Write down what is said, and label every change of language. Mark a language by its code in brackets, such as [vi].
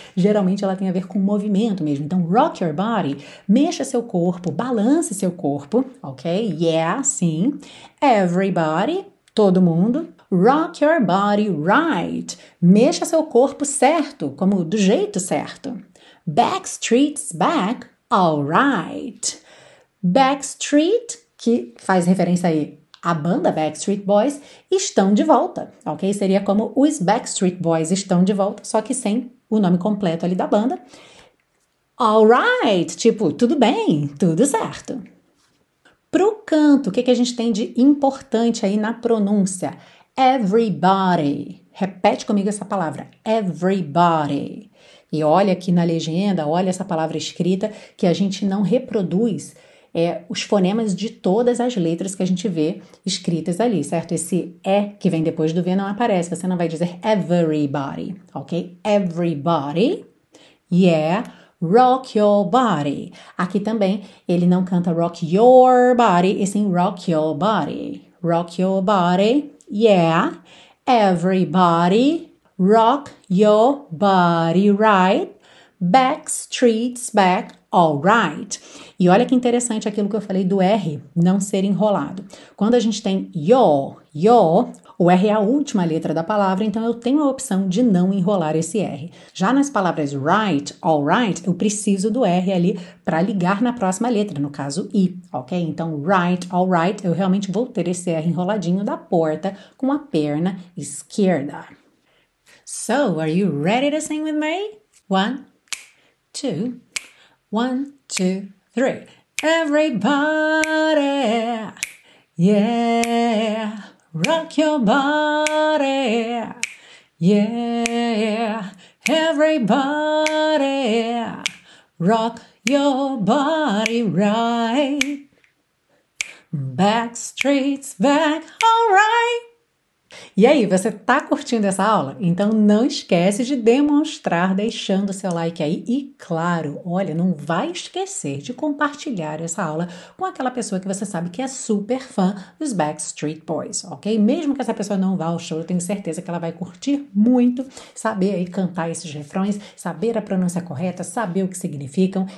[pt] Geralmente ela tem a ver com movimento mesmo. Então, [en] rock your body, [pt] mexa seu corpo, balance seu corpo, ok? [en] Yeah, [pt] sim. [en] Everybody, [pt] todo mundo. [en] Rock your body right. [pt] Mexa seu corpo certo, como do jeito certo. [en] Backstreet's back, all right. [pt] Backstreet, que faz referência aí à banda Backstreet Boys, estão de volta, ok? Seria como os Backstreet Boys estão de volta, só que sem o nome completo ali da banda. [en] All right, [pt] tipo, tudo bem, tudo certo. Para o canto, o que que a gente tem de importante aí na pronúncia? [en] Everybody. [pt] Repete comigo essa palavra. Everybody. E olha aqui na legenda, olha essa palavra escrita, que a gente não reproduz os fonemas de todas as letras que a gente vê escritas ali, certo? Esse E que vem depois do V não aparece. Você não vai dizer [en] everybody, [pt] ok? [en] Everybody. Yeah. Rock your body. [pt] Aqui também ele não canta [en] rock your body, [pt] e sim [en] rock your body. Rock your body. Yeah, everybody. Rock your body right, Backstreet's back, all right. [pt] E olha que interessante aquilo que eu falei do R não ser enrolado. Quando a gente tem your, o R é a última letra da palavra, então eu tenho a opção de não enrolar esse R. Já nas palavras [en] right, all right, [pt] eu preciso do R ali para ligar na próxima letra, no caso I, ok? Então, [en] right, all right, [pt] eu realmente vou ter esse R enroladinho da porta com a perna esquerda. [en] So, are you ready to sing with me? One, two, one, two, three. Everybody, yeah, rock your body, yeah. Everybody, rock your body right. Backstreet's back, all right. [pt] E aí, você tá curtindo essa aula? Então não esquece de demonstrar deixando seu like aí e, claro, olha, não vai esquecer de compartilhar essa aula com aquela pessoa que você sabe que é super fã dos Backstreet Boys, ok? Mesmo que essa pessoa não vá ao show, eu tenho certeza que ela vai curtir muito saber aí cantar esses refrões, saber a pronúncia correta, saber o que significam.